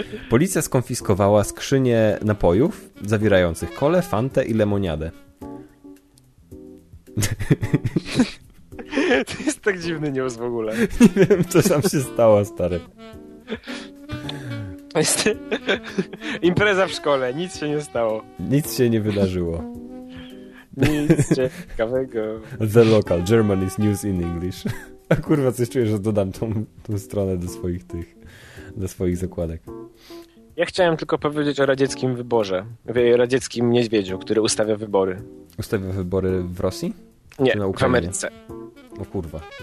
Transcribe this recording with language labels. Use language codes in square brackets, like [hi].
[pl] Policja skonfiskowała skrzynię napojów zawierających kolę, fantę i lemoniadę. To jest tak dziwny news w ogóle. Nie wiem, co tam się stało, stary. Impreza w szkole, nic się nie stało. Nic się nie wydarzyło. Nic ciekawego. [en] The local, German is news in English. [pl] A kurwa, coś czuję, że dodam tą stronę do swoich tych, do swoich zakładek. Ja chciałem tylko powiedzieć o radzieckim wyborze. Radzieckim niedźwiedziu, który ustawia wybory. Ustawia wybory w Rosji? Nie, na Ukrainie? W Ameryce. O kurwa.